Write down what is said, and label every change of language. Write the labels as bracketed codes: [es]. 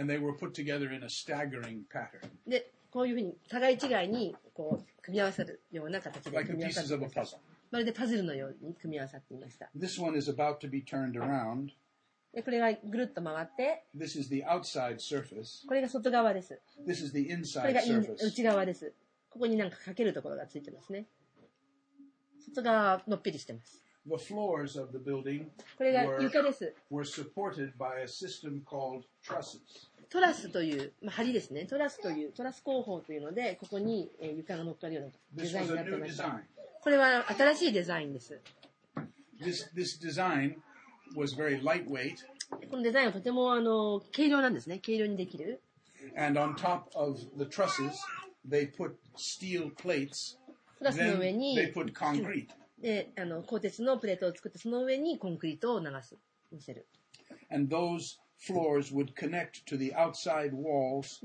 [en] And they were put together in a staggering pattern. [ja] こういうふうに互い違いにこう組み合わさるような形で組み合わさっていました。まるでパズルのように組み合わさっていました。 [en] This one is about to be turned around. [ja] でこれがぐるっと回って。 [en] This is the outside surface. [ja] これが外側です。 [en] This is the inside surface. [ja] これが内側です。ここになんかかけるところがついてますね。外側はのっぴりしてます。 [en] The floors of the building [ja] これが床です。 [en] Were supported by a system called trusses. [ja] トラスという、まあ、梁ですね、トラスという、トラス工法というので、ここに床が乗っかるようなデザインになってました。これは新しいデザインです。このデザインはとても軽量なんですね、軽量にできる。 [en] And on top of the trusses, they put steel plates. [ja] トラスの上に、 [en] they put concrete. [ja] で、鋼鉄のプレートを作って、その上にコンクリートを流す、載せる。 [en] And those floors would connect to the outside walls.